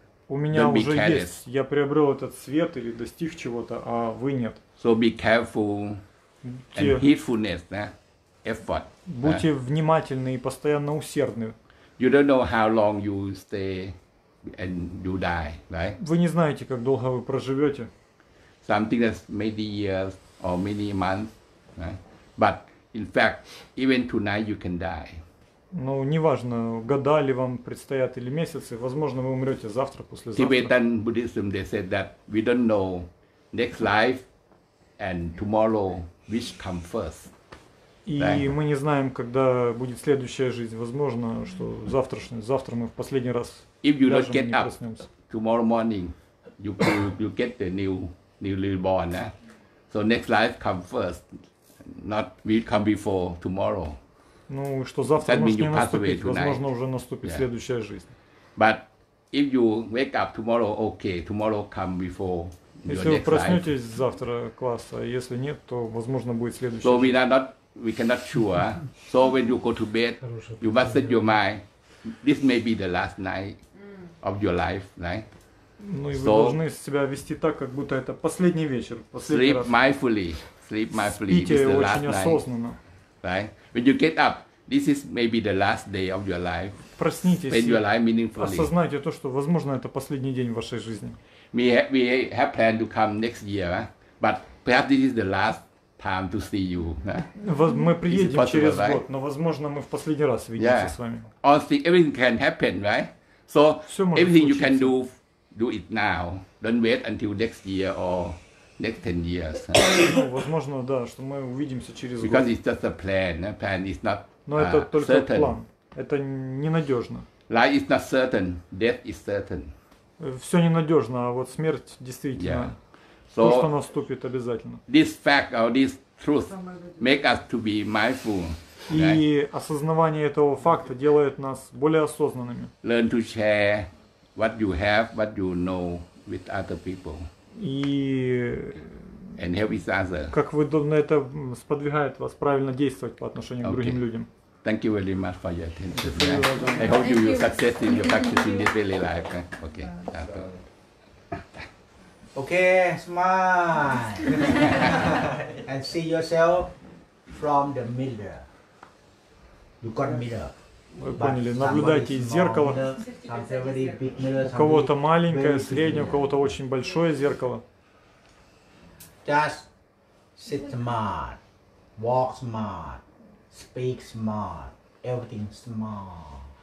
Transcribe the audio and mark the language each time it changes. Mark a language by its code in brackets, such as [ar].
[ru] У меня уже есть, я приобрел этот свет или достиг чего-то, а вы нет. [en] So be careful and heedfulness, effort. [ru] Будьте внимательны и постоянно усердны. [en] You don't know how long you stay and you die, right? [ru] Вы не знаете, как долго вы проживете. [en] Something that's many years or many months, right? But in fact, even tonight you can die. [ru] Ну, неважно, года ли вам предстоят или месяцы, возможно, вы умрете завтра, послезавтра. [en] Tibetan Buddhism, they said that we don't know next life and tomorrow which come first. [ru] И мы не знаем, когда будет следующая жизнь. Возможно, что завтра мы в последний раз ляжем и не проснемся. [en] Tomorrow morning, you get the newly born. So next life come first, not will come before tomorrow. [ru] Ну, что завтра может не наступить, возможно, уже наступит следующая жизнь. [en] But if you wake up tomorrow, okay, tomorrow come before your next life. [ru] Если вы проснетесь завтра, класс, а если нет, то, возможно, будет следующая жизнь. [en] So we cannot sure. So when you go to bed, you must set your mind, this may be the last night of your life, right? [ru] Ну, и вы должны себя вести так, как будто это последний вечер, последний раз. [en] Sleep mindfully, this is the last night. [ru] Спите очень осознанно. [en] Right? When you get up, this is maybe the last day of your life. [ru] Проснитесь. [en] Spend your life meaningfully. [ru] Осознайте то, что, возможно, это последний день в вашей жизни. [en] We have planned to come next year, but perhaps this is the last time to see you. [ru] Мы приедем через год, но, возможно, мы в последний раз увидимся с вами. [en] Everything can happen, right? So everything you can do it now. Don't wait until next year or next 10 years. [ru] Возможно, да, что мы увидимся через год. [en] Because it's just a plan. A plan is not certain. [ru] Но это только план. Это ненадежно. [en] Life is not certain. Death is certain. [ru] Все ненадежно, а вот смерть действительно. [en] So [ru] то, что наступит обязательно. [en] This fact or this truth make us to be mindful. [ru] И осознавание этого факта делает нас более осознанными. [en] Learn to share what you have, what you know with other people. [ru] И [en] and help each other. [ru] Как вы на это сподвигает вас правильно действовать по отношению к другим людям. [en] Thank you very much for your attention. [ru] Спасибо, [en] I hope thank you will success in your practice in this daily life. Okay. Okay, smile. And see yourself from the mirror. You got mirror. [ru] Вы поняли, наблюдайте из зеркала, у кого-то маленькое, среднее, у кого-то очень большое зеркало. [en] just sit smart, walk smart, speak smart, everything smart.